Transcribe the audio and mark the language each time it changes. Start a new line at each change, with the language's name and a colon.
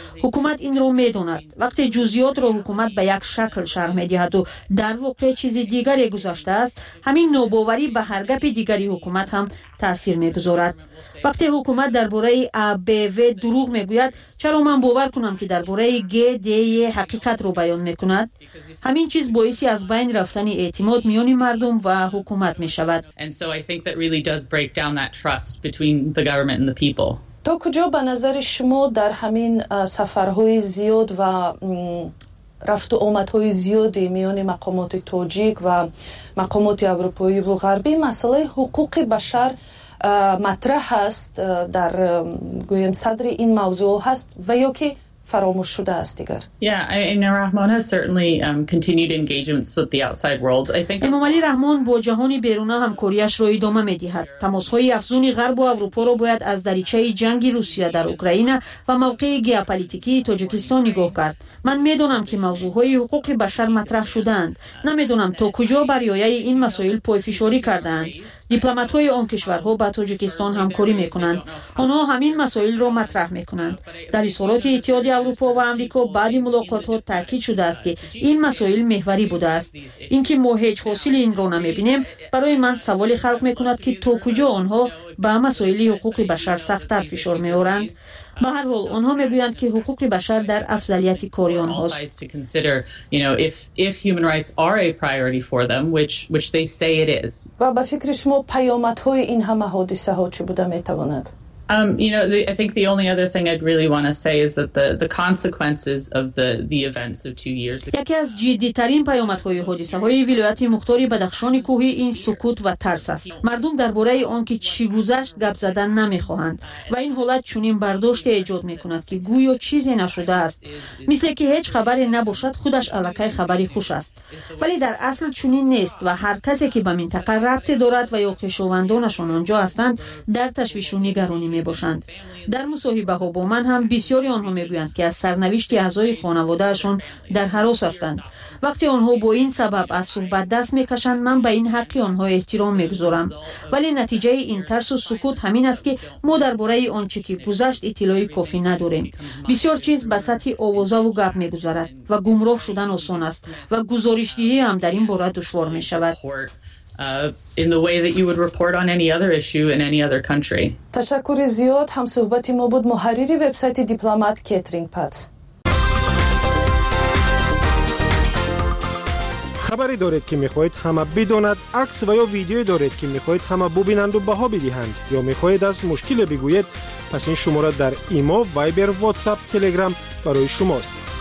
Tajik: حکومت این را می داند. وقتی جزئیات را حکومت به یک شکل شرح می دهد و در واقع چیزی دیگری گذشته است، همین نوباوری به هر گپ دیگری حکومت هم تأثیر می گذارد. وقتی حکومت درباره ABV دروغ می گوید، چرا من باور کنم که درباره GDE حقیقت را بیان می کند؟ همین چیز باعث از بین رفتن اعتماد میان مردم و حکومت می شود.
English: break down that trust between the government and the people. تو کجا به نظر شما در همین سفرهای زیاد و رفت و آمدهای زیاد میان مقامات تاجیک و مقامات اروپایی و غربی مسئله حقوق بشر مطرح هست در گویم صدر این موضوع هست و یا که فراموش شده است دیگر؟ Rahmon certainly continued engagements with the outside world. I think
Tajik: امام علی رحمان با جهان بیرون همکاریش را ادامه می‌دهد. تماس‌های افزون غرب و اروپا را باید از دریچه جنگ روسیه در اوکراین و موقع گیاپولیتیکی تاجیکستان نگاه کرد. من می‌دونم که موضوع‌های حقوق بشر مطرح شدند. نمی‌دونم تا کجا برایای این مسائل پایفشاری کردند. دیپلمات‌های آن کشورها با تاجیکستان همکاری می‌کنند. آنها همین مسائل را مطرح می‌کنند. در صورت اتحاد اروپا و آمریکا بعد ملاقات‌ها تاکید شده است که این مسائل محوری بوده است. اینکه ما هیچ حاصل این را نمی‌بینیم برای من سوالی خلق می‌کند که تا کجا آنها به مسائل حقوق بشر سخت‌تر فشار می‌آورند. به هر حال آنها میگویند که حقوق بشر در افضلیت کاری آنهاست.
English: If human rights are a priority for them, which they say it is.
Tajik: و به فکر شما پیامدهای این همه حادثه ها چه بوده میتواند؟
English: I think the only other thing I'd really want to say is that the consequences of the events of 2 years ago.
Tajik: یکی از جدی‌ترین پیامدهای حادثه‌های ولایت مختار بدخشان کوهی این سکوت و ترس است. مردم درباره آن که چی گذشت گپ زدن نمی‌خواهند و این حالت چنین برداشت ایجاد می‌کند که گویا چیزی نشده است. مثل که هیچ خبری نباشد خودش علاقه خبری خوش است. ولی در اصل چنین نیست و هر کسی که به منطقه ربطی دارد و یا خویشاوندانشان آنجا هستند در تشویش و نگرانی می باشند. در مصاحبه ها با من هم بسیاری آنها می گویند که از سرنوشت اعضای خانواده اشون در هراس هستند. وقتی آنها با این سبب از صحبت دست می کشند من به این حق آنها احترام می گذارم. ولی نتیجه این ترس و سکوت همین است که ما درباره آنچه که گذشت اطلاع کافی نداریم. بسیار چیز به سطح آوازا و گپ می گذارد و گمراه شدن آسان است و گزارش دهی هم در این باره دشوار می شود.
English: In the way that you would report on any other issue in any other country.
Tajik: تشکر زیاد هم صحبت ما بود محرری وبسایت دیپلمات کترین پات. خبری دارید که میخواهید همه بدانند، عکس و یا ویدیویی دارید که میخواهید همه ببینند و بها بدهند یا میخواهید از مشکل بگویید، پس این شماره در ایمو، وایبر، واتساپ، تلگرام برای شماست.